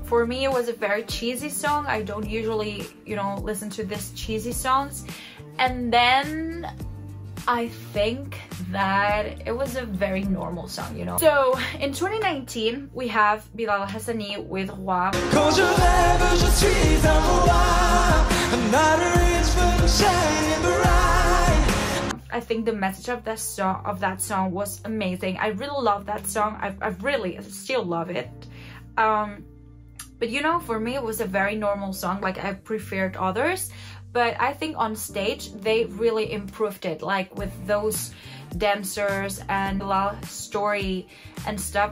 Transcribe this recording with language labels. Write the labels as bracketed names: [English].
[English] For me, it was a very cheesy song. I don't usually, you know, listen to these cheesy songs. And then I think that it was a very normal song, you know? So, in 2019, we have Bilal Hassani with Roi. [French] Quand je rêve, je suis un roi. [English] Another is for the shining bright. I think the message of that song was amazing. I really love that song. I really still love it. But you know, for me, it was a very normal song. Like, I preferred others. But I think on stage, they really improved it, like with those dancers and the story and stuff.